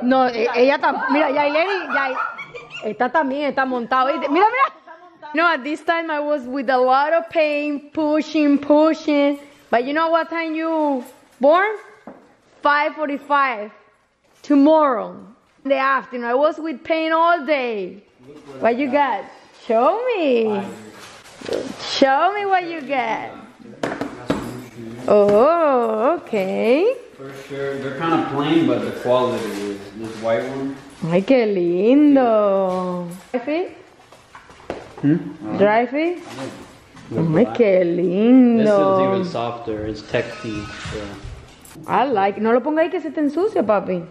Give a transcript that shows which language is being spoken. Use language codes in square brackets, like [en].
[es] No, ella también, mira, Yelany, ya, esta también está montada, mira, mira. [en] No, at this time I was with a lot of pain, pushing, pushing. But you know what time you born? 5:45, tomorrow, in the afternoon. I was with pain all day. What you got? Show me. Show me what you get. Oh, okay. For sure, they're kind of plain, but the quality is this white one. [es] Ay, qué lindo. [en] Dry feet? Dry feet? [es] Ay, qué lindo. [en] This feels even softer, it's tech feet, so. I like, [es] no lo ponga ahí que se te ensucia, papi.